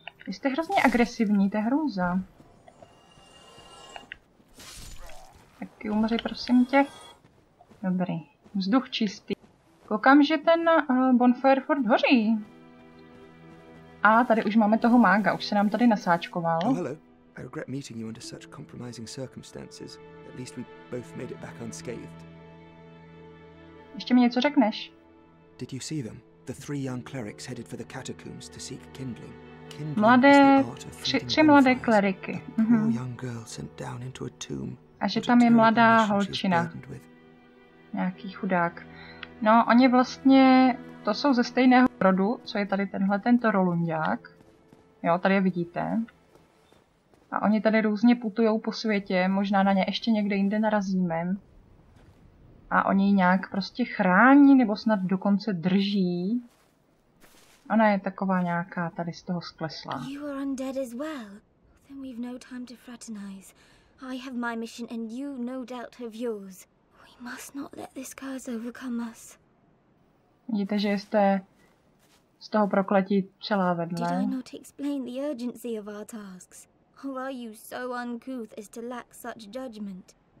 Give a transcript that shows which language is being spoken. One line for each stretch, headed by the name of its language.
Czech: Vy jste hrozně agresivní, to je hrůza. Taky umři, prosím tě. Dobrý. Vzduch čistý. Koukám, že ten bonfire furt hoří. A tady už máme toho mága, už se nám tady nasáčkoval.
English: Oh, hello. I regret meeting you under such compromising circumstances. At least we both made it back unscathed.
Czech: Ještě mi něco řekneš?
English: Did you see them? The three young clerics headed for the catacombs to seek kindling.
Czech: Mladé, tři mladé kleriky. Mm-hmm.
English: Young girl sent down into a tomb.
Czech: A že tam je mladá holčina. Nějaký chudák. No, oni vlastně, to jsou ze stejného rodu, co je tady tenhle, tento Rolundiák. Jo, tady je vidíte. A oni tady různě putujou po světě, možná na ně ještě někde jinde narazíme. A oni ji nějak prostě chrání, nebo snad dokonce drží. Ona je taková nějaká tady z toho sklesla.
English: You are undead as well. Then we've no time to fraternize. I have my mission and you no doubt have yours. Must not let this curse overcome us.
Czech: Vidíte, že jste z toho prokletí celá vedle.
English: Did I not explain the urgency of our tasks? Or are you so uncouth as to lack such judgment?